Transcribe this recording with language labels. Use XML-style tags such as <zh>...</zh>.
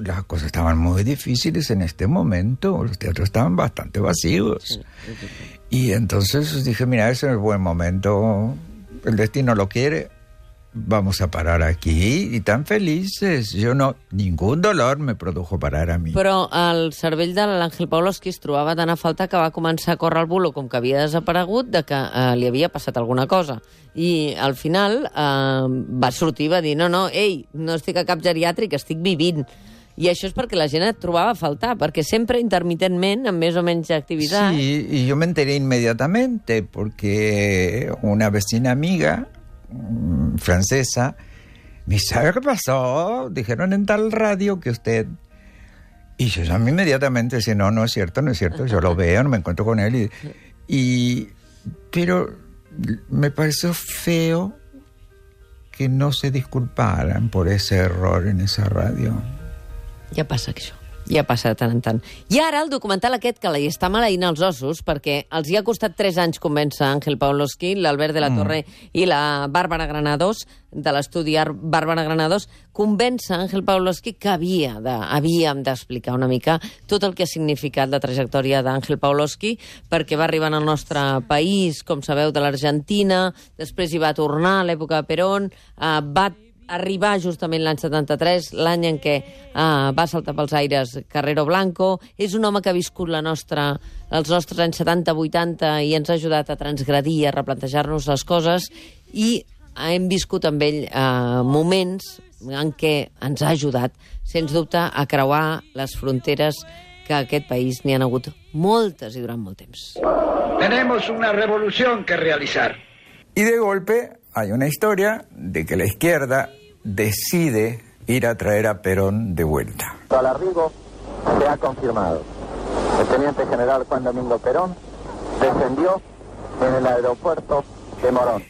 <es>Las cosas estaban muy difíciles en este momento, los teatros estaban bastante vacíos. Y entonces dije, mira, ese es el buen momento, el destino lo quiere, vamos a parar aquí. Y tan felices, yo no, ningún dolor me produjo parar a mí.</es> <ca>Però el cervell de l'Àngel Pavlovski es trobava tan a falta que va començar a córrer el bulo, com que havia desaparegut, de que li havia passat alguna cosa. I al final va sortir i va dir, no, ei, no estic a cap geriàtric, estic vivint. I això és perquè la gent et trobava a faltar, perquè sempre intermitentment, amb més o menys activitat...</ca> <es>Sí, y yo me enteré inmediatamente, porque una vecina amiga, francesa, me dice, ¿sabe qué pasó? Dijeron en tal radio que usted... Y yo llamé inmediatamente, dice, no es cierto, yo lo veo, me encuentro con él, Y pero me pareció feo que no se disculparan por ese error en esa radio.</es> <ca>Ja passa, això. Ja passa de tant en tant. I ara el documental aquest que li està maleint els ossos, perquè els hi ha costat 3 anys convèncer Ángel Pavlovsky, l'Albert de la Torre i la Bàrbara Granados, de l'estudi Bàrbara Granados, convèncer Ángel Pavlovsky que havíem d'explicar una mica tot el que ha significat la trajectòria d'Ángel Pavlovsky, perquè va arribar al nostre país, com sabeu, de l'Argentina, després hi va tornar a l'època de Perón, va arribar justament l'any 73, l'any en què va saltar pels aires Carrero Blanco. És un home que ha viscut els nostres anys 70-80 i ens ha ajudat a transgredir, a replantejar-nos les coses, i hem viscut amb ell moments en què ens ha ajudat, sens dubte, a creuar les fronteres que aquest país n'hi ha hagut moltes i durant molt temps.</ca> <es>Tenemos una revolución que realizar. I de golpe hay una historia de que la izquierda decide ir a traer a Perón de vuelta. Al arribo se ha confirmado. El teniente general Juan Domingo Perón descendió en el aeropuerto de Morón.</es>